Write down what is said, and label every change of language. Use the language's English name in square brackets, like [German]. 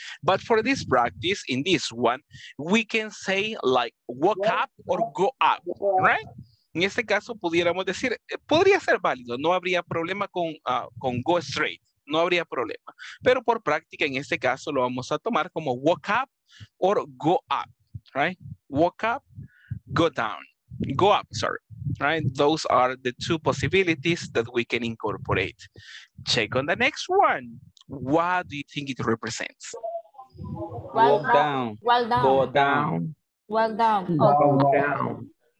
[English] But for this practice, in this one, we can say like walk up or go up, right? [Spanish] En este caso, pudiéramos decir, podría ser válido. No habría problema con go straight. No habría problema. Pero por práctica, en este caso, lo vamos a tomar como [English] walk up or go up, right? Walk up. Go down, go up, sorry, right? Those are the two possibilities that we can incorporate. Check on the next one. What do you think it represents? Well down. Well down. Go down. Well down. Go down. Go down.